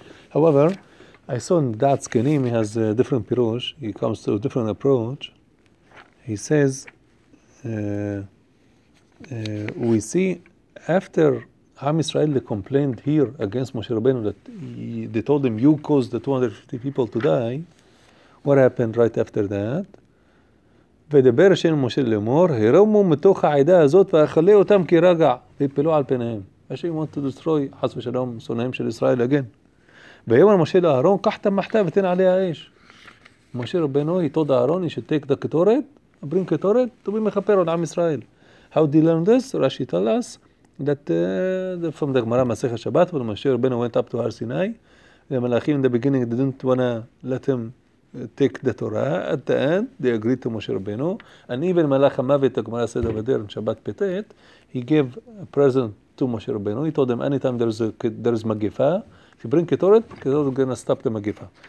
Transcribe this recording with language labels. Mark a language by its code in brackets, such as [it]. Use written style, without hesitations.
[en] However, I saw in Da'at Zkenim, he has a different pirush, he comes to a different approach. He says, we see after Am Yisrael complained here against Moshe Rabbeinu that they told him, you caused the 250 people to die, what happened right after that? [he] ודבר השם משה לאמור, הרמו מתוך העדה הזאת ואכלה אותם כרגע, ויפלו על פניהם. השם want to destroy, חס ושלום, שונאים של ישראל again. ויאמר משה לאהרון, קח את המחתה ותן עליה אש. [en] משה רבנו, he told Aharon, he should take the ketoret, bring ketoret, to be מכפר על עם ישראל. How did he learn this? Rashi tell us that from the Gemara מסכת שבת, when משה רבנו went up to Har Sinai, the מלאכים in the beginning didn't want to let him take the Torah, at the end, they agreed to Moshe Rabbeinu, and even Malach HaMavit, the Gemara said over there in Shabbat Petet, he gave a present to Moshe Rabbeinu, he told him, anytime there's Magifa, if you bring Ketoret, Ketoret is going to stop the Magifa.